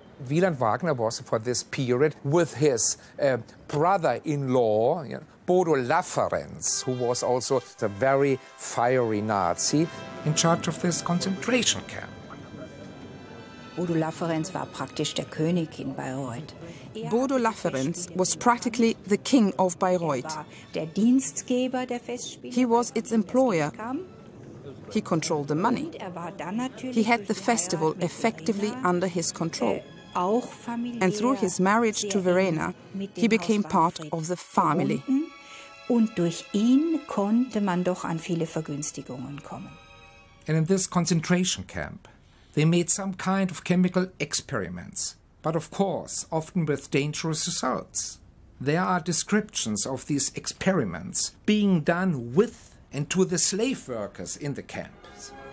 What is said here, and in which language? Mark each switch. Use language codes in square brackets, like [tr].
[en] Wieland Wagner was, for this period, with his brother-in-law, you know, Bodo Lafferenz, who was also the very fiery Nazi, in charge of this concentration camp. [de] Bodo Lafferenz war praktisch der König in Bayreuth. [en] Bodo Lafferenz was practically the king of Bayreuth. [de] Der Dienstgeber der Festspiele. [en] He was its employer. He controlled the money. He had the festival effectively under his control. And through his marriage to Verena, he became part of the family. [de] Und durch ihn konnte man doch an viele Vergünstigungen kommen. [en] And in this concentration camp, they made some kind of chemical experiments, but of course, often with dangerous results. There are descriptions of these experiments being done with and to the slave workers in the camps.